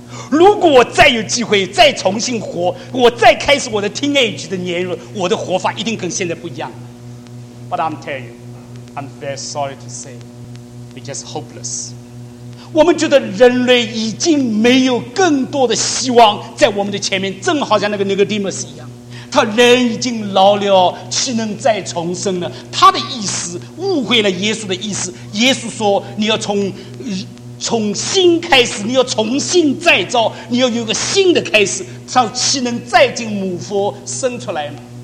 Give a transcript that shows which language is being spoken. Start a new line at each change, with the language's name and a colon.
Chinese: 如果我再有机会再重新活，我再开始我的 teenage 的年龄，我的活法一定跟现在不一样。
English: But I'm telling you, I'm very sorry to say, we're just hopeless.
Chinese: 我们觉得人类已经没有更多的希望在我们的前面，正好像那个 Nicodemus 一样，他人已经老了，岂能再重生呢？他的意思误会了耶稣的意思。耶稣说，你要从新开始，你要重新再造，你要有个新的开始，他岂能再进母腹生出来吗？